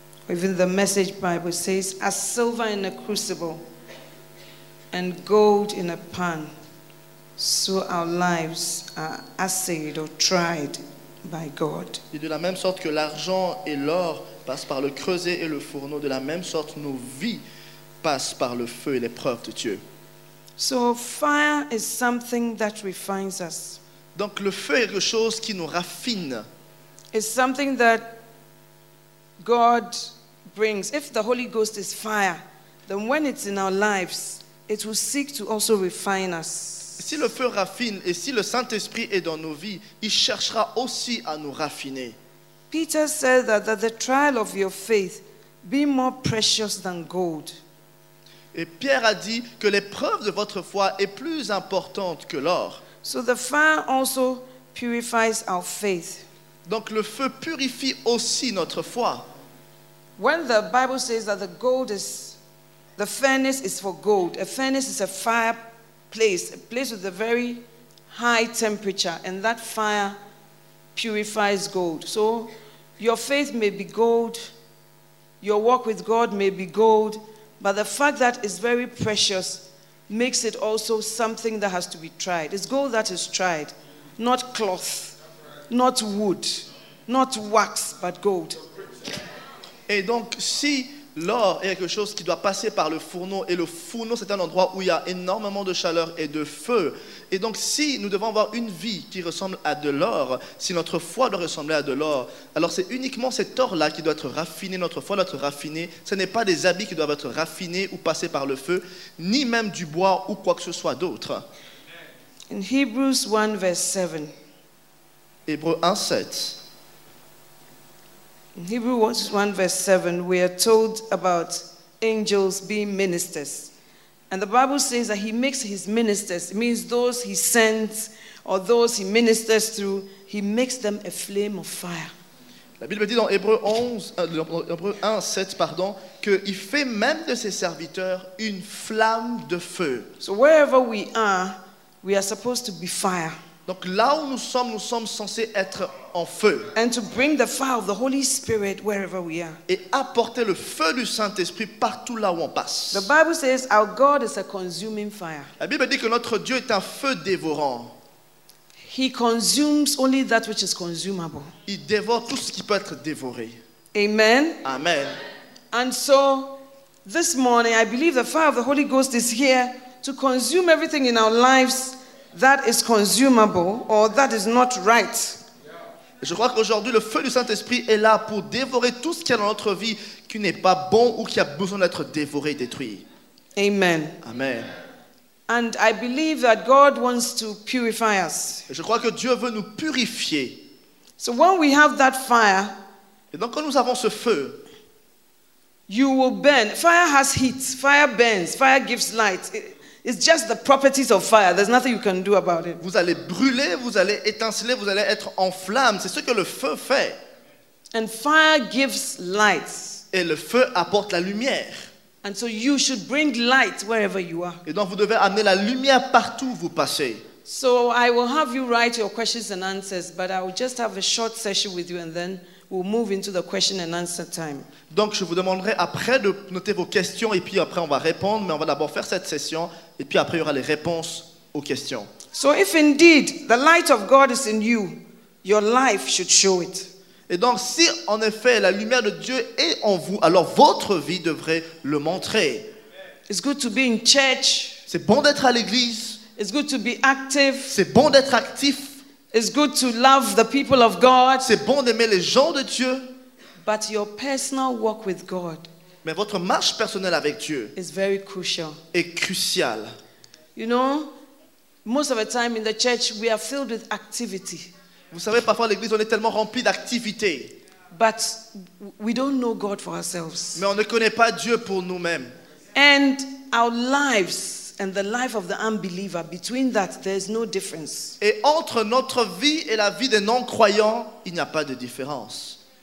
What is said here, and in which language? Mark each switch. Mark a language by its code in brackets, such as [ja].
[en] Even the Message Bible says, as silver in a crucible and gold in a pan, so our lives are assayed or tried by God. [fr] Et de la même sorte que l'argent et l'or passent par le creuset et le fourneau, de la même sorte nos vies passent par le feu et l'épreuve de Dieu. [en] So fire is something that refines us. [fr] Donc le feu est quelque chose qui nous raffine. [en] It's something that God brings. If the Holy Ghost is fire, then when it's in our lives, it will seek to also refine us. [fr] Si le feu raffine et si le Saint-Esprit est dans nos vies, il cherchera aussi à nous raffiner. [en] Peter said that the trial of your faith be more precious than gold. [fr] Et Pierre a dit que l'épreuve de votre foi est plus importante que l'or. [en] So the fire also purifies our faith. [fr] Donc le feu purifie aussi notre foi. [en] When the Bible says that the furnace is for gold. A furnace is a fireplace, a place with a very high temperature, and that fire purifies gold. So your faith may be gold, your walk with God may be gold, but the fact that it's very precious makes it also something that has to be tried. It's gold that is tried, not cloth, not wood, not wax, but gold. [fr] Et donc, si l'or est quelque chose qui doit passer par le fourneau, et le fourneau, c'est un endroit où il y a énormément de chaleur et de feu, et donc si nous devons avoir une vie qui ressemble à de l'or, si notre foi doit ressembler à de l'or, alors c'est uniquement cet or-là qui doit être raffiné, notre foi doit être raffinée. Ce n'est pas des habits qui doivent être raffinés ou passer par le feu, ni même du bois ou quoi que ce soit d'autre. [en] In Hebrews 1, verse 7. [fr] Hébreux 1, 7. [en] In Hebrews 1, verse 7, we are told about angels being ministers. And the Bible says that he makes his ministers, it means those he sends or those he ministers through, he makes them a flame of fire. [fr] La Bible dit dans Hébreux 1:7, qu'il fait même de ses serviteurs une flamme de feu. [en] So wherever we are, we are supposed to be fire. [fr] Donc là où nous sommes censés être en feu. [en] And to bring the fire of the Holy Spirit wherever we are. [fr] Et apporter le feu du Saint-Esprit partout là où on passe. [en] The Bible says our God is a consuming fire. [fr] La Bible dit que notre Dieu est un feu dévorant. [en] He consumes only that which is consumable. [fr] Il dévore tout ce qui peut être dévoré. [en] Amen. [fr] Amen. [en] And so this morning I believe the fire of the Holy Ghost is here to consume everything in our lives that is consumable or that is not right. [fr] Je crois qu'aujourd'hui le feu du Saint-Esprit est là pour dévorer tout ce qu'il y a dans notre vie qui n'est pas bon ou qui a besoin d'être dévoré, détruit. [en] Amen. [fr] Amen. [en] And I believe that God wants to purify us. [fr] Je crois que Dieu veut nous purifier. [en] So when we have that fire, [fr] et donc quand nous avons ce feu, [en] you will burn. Fire has heat. Fire burns. Fire gives light. It's just the properties of fire. There's nothing you can do about it. [fr] Vous allez brûler, vous allez étinceler, vous allez être en flamme. C'est ce que le feu fait. [en] And fire gives light. [fr] Et le feu apporte la lumière. [en] And so you should bring light wherever you are. [fr] Et donc vous devez amener la lumière partout où vous passez. [en] So I will have you write your questions and answers, but I will just have a short session with you and then we'll move into the question and answer time. [fr] Donc je vous demanderai après de noter vos questions et puis après on va répondre, mais on va d'abord faire cette session et puis après il y aura les réponses aux questions. [en] So if indeed the light of God is in you, your life should show it. [fr] Et donc, si en effet la lumière de Dieu est en vous, alors votre vie devrait le montrer. [en] It's good to be in church. [fr] C'est bon d'être à l'église. [en] It's good to be active. [fr] C'est bon d'être actif. [en] It's good to love the people of God. [fr] C'est bon d'aimer les gens de Dieu. [en] But your personal walk with God. [fr] Mais votre marche personnelle avec Dieu [en] is very crucial. [fr] Est crucial. [en] You know, most of the time in the church we are filled with activity. [fr] Vous savez, parfois à l'église, on est tellement rempli d'activités. [en] But we don't know God for ourselves. [fr] Mais on ne connaît pas Dieu pour nous-mêmes. [en] And our lives and the life of the unbeliever, between that, there's no difference. [fr] Et entre notre vie et la vie des non-croyants, il n'y a pas de différence.